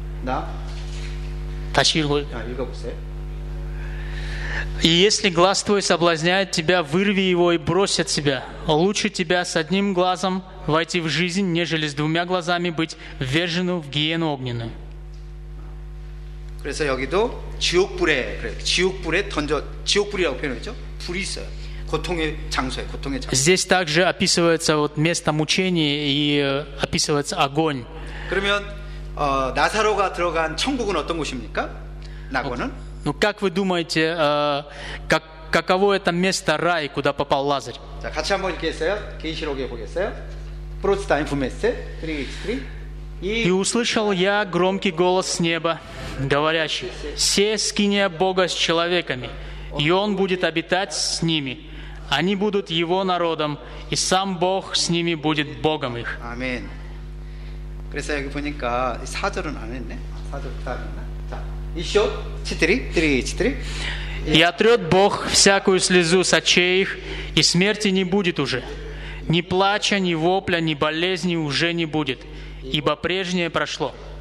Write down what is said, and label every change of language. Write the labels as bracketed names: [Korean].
[Russian] Да? Тащи его. И если глаз твой соблазняет тебя, вырви его и брось от себя. Лучше тебя с одним глазом войти в жизнь, нежели с двумя глазами быть ввержену в гиену огненную. [Korean] 그래서 여기도 지옥불에 그래 지옥불에 던져 지옥불이라고 표현했죠? 불이 있어요. 고통의 장소에 고통의 장소. [Russian] Здесь также описывается вот место мучения и описывается огонь. [Korean] 그러면 나사로가 들어간 천국은 어떤 곳입니까? 낙원은? [Russian] Ну как вы думаете, каково это место рай, куда попал Лазарь? [Korean] 자 같이 한번 읽겠어요? 계시록에 보겠어요? 프로스타인 부메세 33 [Russian] И услышал я громкий голос с неба, говорящий: «Се скиния Бога с человеками, и Он будет обитать с ними, они будут Его народом, и Сам Бог с ними будет Богом их». Аминь. [Korean] 그래서 여기 보니까 4절은 안 했네. 4절 다 했나? 자, 3, 4. [Russian] И отрет Бог всякую слезу с очей их, и смерти не будет уже, ни плача, ни вопля, ни болезни уже не будет. Ибо прежнее прошло.